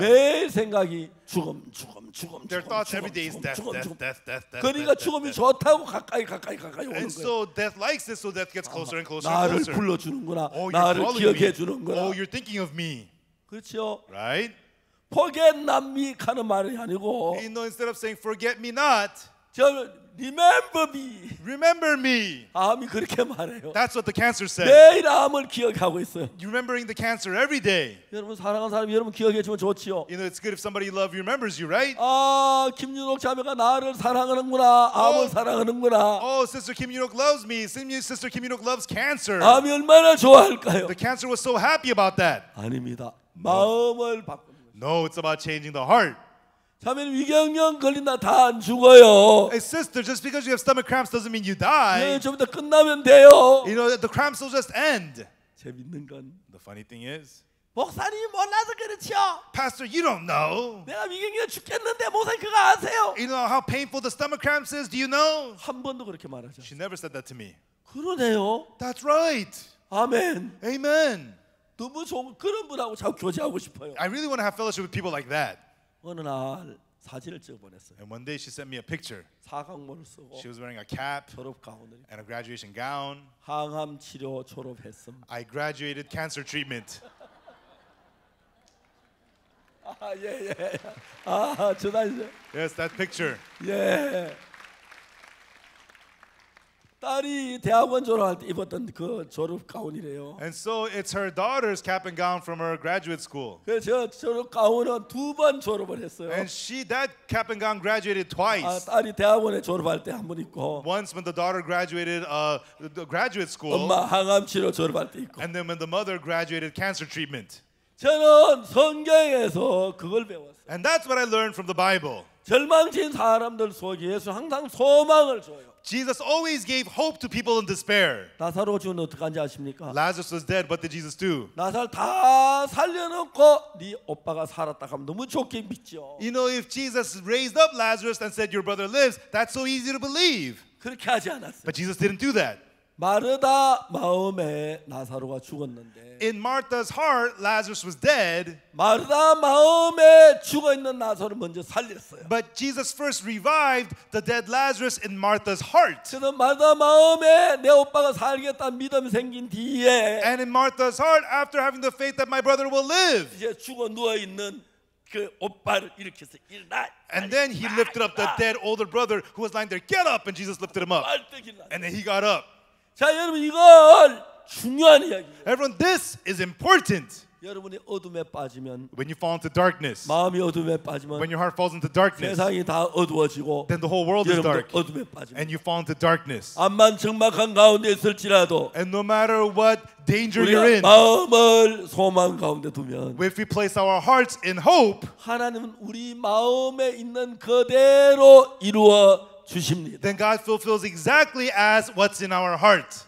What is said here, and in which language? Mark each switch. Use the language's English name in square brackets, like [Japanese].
[Korean] 매일 생각이 죽음, 죽음, 죽음, [English] Their thoughts every day is death, death, death, death, death. [Korean] 그러니까 죽음이 좋다고 가까이 가까이 가까이 오는 거야. [English] Death likes this, so death gets closer and closer and closer. Oh, you're [Korean] 나를 기억해 주는 거야. [English] Oh, you're thinking of me. [Korean] 그렇죠. [English] Right? Forget not me [Korean] 하는 말이 아니고. [English] You know, instead of saying forget me not, remember me. Remember me. [Korean] 암이 그렇게 말해요. [English] That's what the cancer said. [Korean] 매일 암을 기억하고 있어요. [English] Remembering the cancer every day. [Korean] 여러분 사랑하는 사람 여러분 기억해 주면 좋지요. [English] You know, it's good if somebody you love remembers you, right? [Korean] 아, 김윤옥 자매가 나를 사랑하는구나. 암을 사랑하는구나. [English] Oh, sister Kim Yun-ok loves me. Sister Kim Yun-ok loves cancer. [Korean] 암이 얼마나 좋아할까요? [English] The cancer was so happy about that. [Korean] 아닙니다. 마음을 바꾸는 거예요. [English] No, it's about changing the heart. [Korean] 자매님 위경련 걸린다 다 안 죽어요. [English] Hey sister, just because you have stomach cramps doesn't mean you die. [Korean] 네, 좀 더 끝나면 돼요. [English] You know, the cramps will just end. [Korean] 재밌는 건 [English] The funny thing is [Korean] 목사님 몰라서 그렇죠. [English] Pastor, you don't know. [Korean] 내가 위경련 죽겠는데 목사님 그거 아세요? [English] You know how painful the stomach cramps is? Do you know? [Korean] 한 번도 그렇게 말하지 [English] She never said that to me. [Korean] 그러네요. [English] That's right. Amen. Amen. [Korean] 너무 좋은 그런 분하고 자꾸 교제하고 싶어요. [English] I really want to have fellowship with people like that. [Korean] 어느 날 사진을 찍어 보냈어요. [English] And one day she sent me a picture. [Korean] 사각모를 쓰고. [English] She was wearing a cap. [Korean] 졸업 가운을. [English] And a graduation gown. [Korean] 항암 치료 졸업했음. [English] I graduated cancer treatment. [Korean] 아 예 예. 아 저다니죠. [English] Yes, that picture. [Korean] 예. 딸이 대학원 졸업할 때 입었던 그 졸업 가운이래요. [English] And so it's her daughter's cap and gown from her graduate school. [Korean] 그래서 저 졸업 가운은 두 번 졸업을 했어요. [English] And she that cap and gown graduated twice. [Korean] 아, 딸이 대학원에 졸업할 때 한 번 입고. [English] Once when the daughter graduated the graduate school. [Korean] 엄마 항암 치료 졸업할 때 입고. [English] And then when the mother graduated cancer treatment. [Korean] 저는 성경에서 그걸 배웠어요. [English] And that's what I learned from the Bible. [Korean] 절망진 사람들 속에 예수 항상 소망을 줘요. [English] Jesus always gave hope to people in despair. [Korean] 나사로 죽은 어떻게 한지 아십니까? [English] Lazarus was dead, what did Jesus do? [Korean] 나사를 다 살려놓고 네 오빠가 살았다 하면 너무 좋게 믿죠. [English] You know, if Jesus raised up Lazarus and said your brother lives, that's so easy to believe. [Korean] 그렇게 하지 않았어요. [English] But Jesus didn't do that. [Korean] 마르다 마음에 나사로가 죽었는데. [English] In Martha's heart, Lazarus was dead. [Korean] 마르다 마음에 죽어 있는 나사로 먼저 살렸어요. [English] But Jesus first revived the dead Lazarus in Martha's heart. [Korean] 그는 마르다 마음에 내 오빠가 살겠다 믿음 생긴 뒤에. [English] And in Martha's heart, after having the faith that my brother will live. [Korean] 이제 죽어 누워 있는. 그 오빠를 일으켜서 일어나. [English] And then he lifted up the dead older brother who was lying there. Get up! And Jesus lifted him up. And then he got up. [Korean] 자 여러분 이건 중요한 이야기예요. [English] Everyone, this is important. [Korean] 여러분이 어둠에 빠지면 [English] when you fall into darkness [Korean] 마음이 어둠에 빠지면 [English] when your heart falls into darkness [Korean] 세상이 다 어두워지고 [English] then the whole world is dark [Korean] 어둠에 빠지면 [English] and you fall into darkness [Korean] 암만 적막한 가운데 있을지라도 [English] and no matter what danger you're in [Korean] 마음을 소망 가운데 두면 [English] if we place our hearts in hope [Korean] 하나님은 우리 마음에 있는 그대로 이루어 [English] Then God fulfills exactly as what's in our heart.